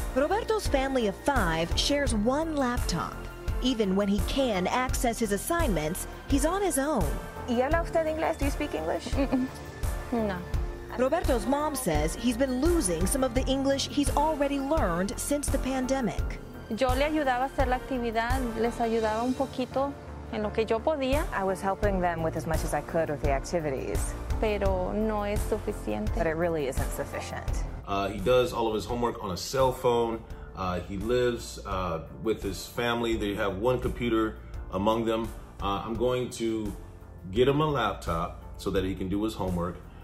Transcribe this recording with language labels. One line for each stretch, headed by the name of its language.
English: Roberto's family of five shares one laptop. Even when he can access his assignments, he's on his own.
Spanish: ¿Y habla usted inglés?
English: Do you speak English? Mm-mm. No. Roberto's mom says he's been losing some of the English he's already learned since the pandemic.
Spanish: Yo le ayudaba a hacer la actividad, les ayudaba un poquito en lo que yo podía.
English: I was helping them with as much as I could with the activities.
Spanish: Pero no es suficiente.
English: But it really isn't sufficient. He does all of his homework on a cell phone. He lives with his family. They have one computer among them. I'm going to get him a laptop so that he can do his homework.